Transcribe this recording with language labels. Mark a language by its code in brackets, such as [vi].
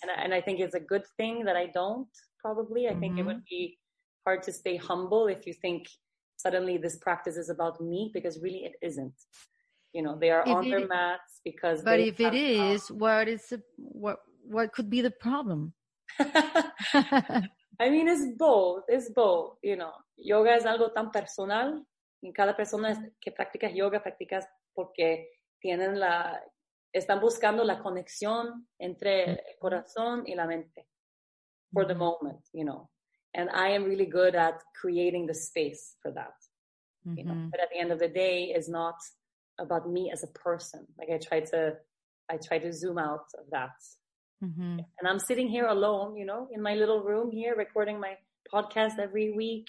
[en] And I think it's a good thing that I don't, probably. I think it would be hard to stay humble if you think suddenly this practice is about me, because really it isn't. You know, they are if on their mats because... But if it is, what could be the problem? I mean, it's both, you know. [es] Yoga es algo tan personal. En cada persona que practicas yoga, practicas porque... tienen la, están buscando la conexión entre el corazón y la mente [en] for the moment, you know. And I am really good at creating the space for that. You know? But at the end of the day, it's not about me as a person. Like I try to zoom out of that. Mm-hmm. And I'm sitting here alone, you know, in my little room here recording my podcast every week.